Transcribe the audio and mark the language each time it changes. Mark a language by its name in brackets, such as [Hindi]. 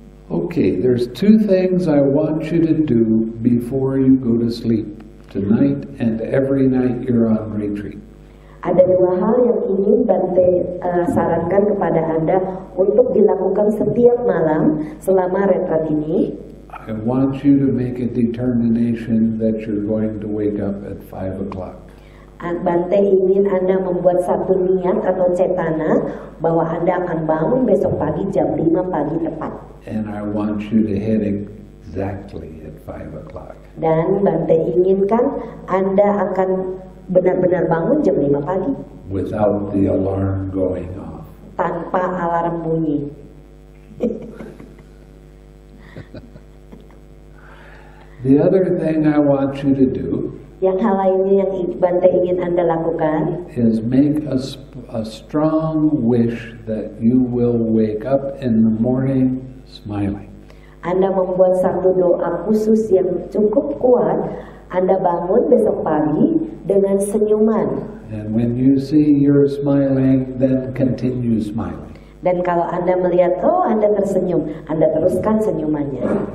[English] Okay, there's 2 things I want you to do before you go to sleep tonight and every night you're on retreat. [Indonesian] Ada 2 hal yang ingin Bante sarankan kepada Anda untuk dilakukan setiap malam selama retreat ini. [English] I want you to make a determination that you're going to wake up at 5 o'clock. [Indonesian] Bante ingin Anda membuat satu niat atau cetana bahwa Anda akan bangun besok pagi jam 5 pagi tepat. [English] And I want you to hit exactly at 5 o'clock. [Indonesian] Dan Bante inginkan Anda akan benar-benar bangun jam 5 pagi. [English] Without the alarm going off. [Indonesian] Tanpa alarm bunyi. [English] The other thing I want you to do, [Indonesian] yang hal lainnya yang Bante ingin Anda lakukan, [English] is make a strong wish that you will wake up in the morning smiling. [Indonesian] Anda membuat satu doa khusus yang cukup kuat, Anda bangun besok pagi dengan senyuman. [English] And when you see you're smiling, then continue smiling. [Indonesian] Dan kalau Anda melihat, oh Anda tersenyum, Anda teruskan senyumannya.